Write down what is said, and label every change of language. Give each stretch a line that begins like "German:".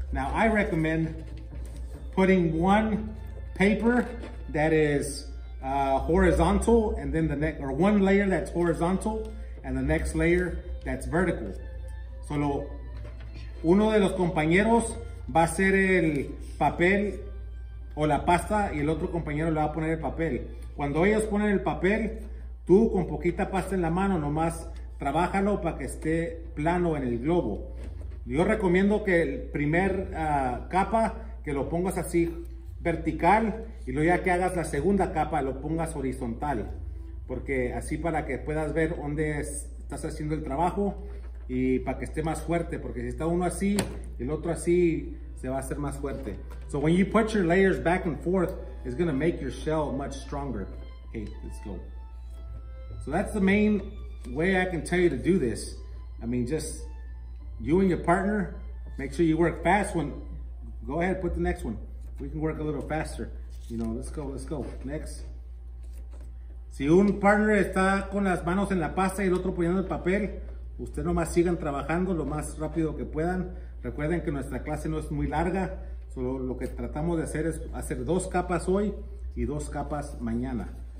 English: Now, I recommend putting one paper that is horizontal, and then the next, or one layer that's horizontal, and the next layer that's vertical.
Spanish: Solo uno de los compañeros va a hacer el papel o la pasta y el otro compañero le va a poner el papel. Cuando ellos ponen el papel, tú con poquita pasta en la mano, nomás trabájalo para que esté plano en el globo. Yo recomiendo que el primer capa, que lo pongas así vertical, y luego ya que hagas la segunda capa, lo pongas horizontal. Porque así para que puedas ver dónde es estás haciendo el trabajo y para que esté más fuerte, porque si está uno así y el otro así, se va a hacer más fuerte.
English: So when you put your layers back and forth, it's gonna make your shell much stronger. Okay, let's go. So that's the main way I can tell you to do this. I mean, just you and your partner, make sure you work fast. When go ahead, put the next one, we can work a little faster, you know. Let's go next.
Spanish: Si un partner está con las manos en la pasta y el otro poniendo el papel, usted nomás sigan trabajando lo más rápido que puedan. Recuerden que nuestra clase no es muy larga. Solo lo que tratamos de hacer es hacer dos capas hoy y dos capas mañana.